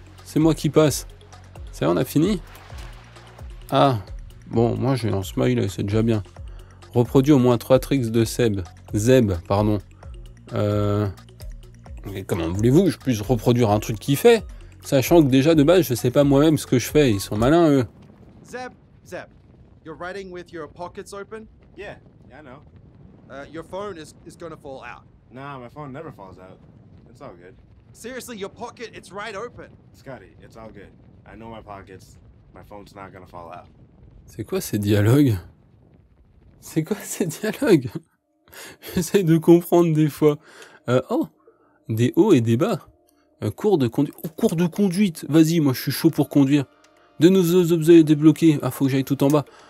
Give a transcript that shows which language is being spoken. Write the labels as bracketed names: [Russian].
[French] C'est moi qui passe. Ça y est, on a fini? Ah. Bon, moi, j'ai un smile. C'est déjà bien. Reproduit au moins 3 tricks de Seb. Zeb, pardon. Mais comment voulez-vous que je puisse reproduire un truc qu'il fait? Sachant que déjà de base, je sais pas moi-même ce que je fais. Ils sont malins, eux. [English] Zeb, Zeb, you're writing with your pockets open? Yeah, yeah, I know. Your phone is gonna fall out. Nah, my phone never falls out. It's all good. Seriously, your pocket, it's right open. Scotty, it's all good. I know my pockets. My phone's not gonna fall out. [French] C'est quoi ces dialogues? C'est quoi ces dialogues? J'essaie de comprendre des fois. Oh, des hauts et des bas. Cours de conduite. Oh, cours de conduite. Vas-y, moi je suis chaud pour conduire. De nouveaux objets débloqués. Ah, faut que j'aille tout en bas.